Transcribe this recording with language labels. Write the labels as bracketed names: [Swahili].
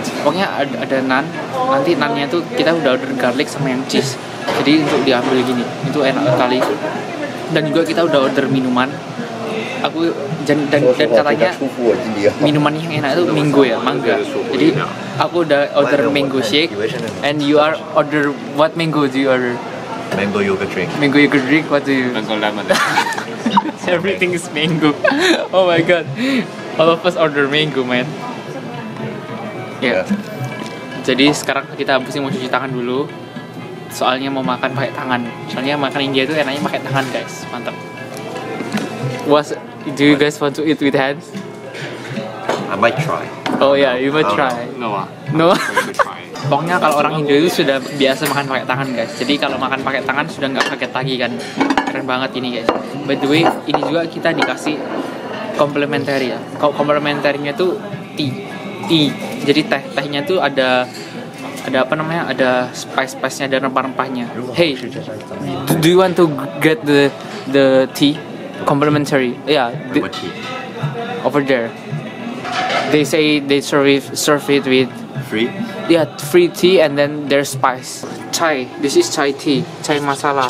[Indonesian] Pokoknya ada nan. Nanti nan-nya tuh kita udah order garlic sama yang cheese. Jadi untuk diambil gini. Itu enak sekali. Dan juga kita udah order minuman. Aku dan katanya minuman yang enak itu mango ya, mangga. Jadi aku udah order mango shake. [English] And you are order what mango do you order? Mango yogurt drink. Mango yogurt drink, what do you? Mango lemon. Everything is mango. Oh my god. All of us order mango, man. Yeah. [Indonesian] Jadi sekarang kita habisnya mau cuci tangan dulu. Soalnya mau makan pakai tangan. Soalnya makan India itu enaknya pakai tangan, guys. Mantap. [English] Do you guys want to eat with hands? I might try. Oh yeah, you might try. Noah. [Indonesian] Pokoknya kalau orang India itu sudah biasa makan pakai tangan, guys. Jadi kalau makan pakai tangan sudah enggak kaget lagi kan. Keren banget ini, guys. By the way, ini juga kita dikasih complimentary ya. Kalau complimentary-nya tuh tea. Jadi tehnya tuh ada apa namanya, ada spice-spice-nya dan rempah-rempahnya. [English] Hey, do you want to get the tea? Complimentary. Yeah, over there. They say they serve it with... Free? Yeah, free tea and then there's spice. Chai, this is chai tea. Chai masala.